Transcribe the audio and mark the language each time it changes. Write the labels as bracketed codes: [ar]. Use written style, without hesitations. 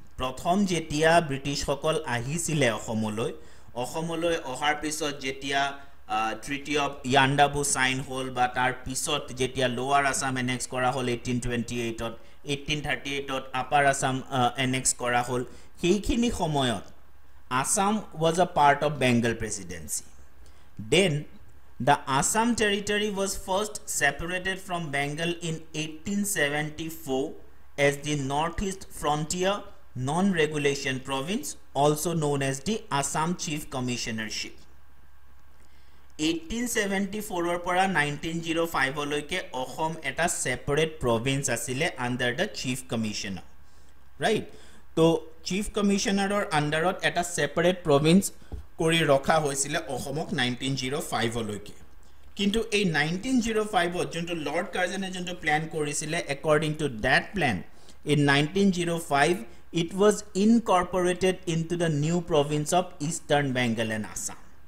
[as] প্ৰথম যেতিয়া ব্ৰিটিছসকল আহিছিলে অসমলৈ, অসমলৈ অহাৰ পিছত যেতিয়া তৃতীয় ইয়াণ্ডাবু চাইন হ'ল বা তাৰ পিছত যেতিয়া লোৱাৰ আছাম এনেক্স কৰা হ'ল 1828ত, 1838ত আপাৰ আছাম এনেক্স কৰা হ'ল, সেইখিনি সময়ত [en] Assam was a part of Bengal presidency. Then the Assam territory was first separated from Bengal in 1874 as the Northeast Frontier Non-Regulation Province, also known as the Assam Chief Commissionership. [as] 1874 পৰা 1905 লৈকে অসম এটা সেপারেট প্রভিন্স আছিলে [en] under the chief commissioner [as] right তো chief কমিশনারৰ আন্ডারত এটা separate Province কৰি ৰখা হৈছিল অসমক 1905 লৈকে কিন্তু এই 1905 যোনটো লর্ড কার্জনে যোনটো প্ল্যান কৰিছিল [en] according to that plan in 1905 it was incorporated into the new province of eastern Bengal and Assam